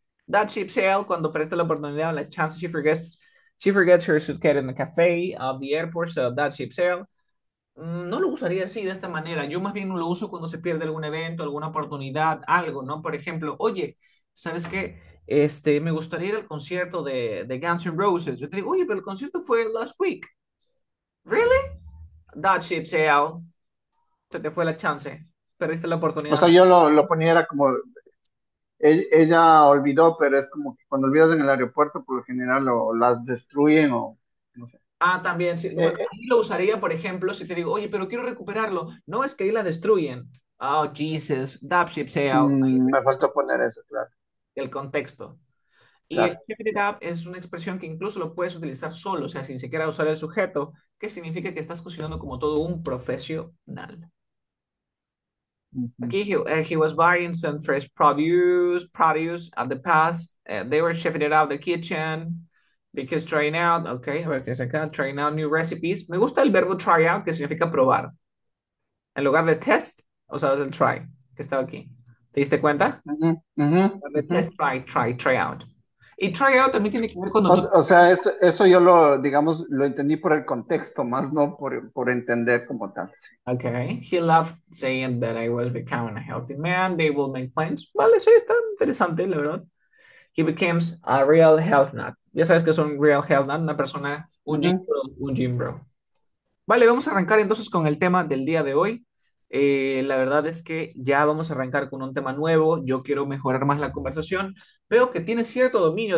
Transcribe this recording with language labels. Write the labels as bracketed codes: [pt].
[en] That ship sailed [es] cuando presta la oportunidad, la chance, [en] she forgets her suitcase in the cafe of the airport, so that ship sailed. [es] No lo usaría así, de esta manera. Yo más bien lo uso cuando se pierde algún evento, alguna oportunidad, algo, ¿no? Por ejemplo, oye, ¿sabes qué? Me gustaría ir al concierto de Guns N' Roses. Yo te digo, oye, pero el concierto fue [en] last week. ¿Really? That ship sailed. [es] Se te fue la chance. Perdiste la O oportunidad. sea, yo lo ponía, era como, ella olvidó, pero es como que cuando olvidas en el aeropuerto, por lo general las destruyen o no sé. Ah, también, sí. Bueno, ahí lo usaría, por ejemplo, si te digo, oye, pero quiero recuperarlo. No, es que ahí la destruyen. [en] Oh, Jesus, that ship sailed. [es] Me faltó poner eso, claro. El contexto. Y el Claro. heading up es una expresión que incluso lo puedes utilizar solo, o sea, sin siquiera usar el sujeto, que significa que estás considerando como todo un profesional. [en] Aquí, he was buying some fresh produce at the pass. They were chefing it up the kitchen. Because trying out, [es] ok, a ver qué es acá, [en] trying out new recipes. [es] Me gusta el verbo try out, que significa probar. En lugar de test, o sea, es el try, que estaba aquí. ¿Te diste cuenta? De test, try out. Y try out también tiene que ver cuando tú... O sea, eso yo lo, digamos, lo entendí por el contexto, más no por entender como tal, sí. [en] Ok, he loved saying that I was becoming a healthy man, they will make plans. [es] Vale, sí, está interesante, la verdad. [en] He becomes a real health nut. [es] Ya sabes que es un real health nut, una persona, un gym bro. Vale, vamos a arrancar entonces con el tema del día de hoy. La verdad es que ya vamos a arrancar con un tema nuevo. Yo quiero mejorar más la conversación. Veo que tienes cierto dominio.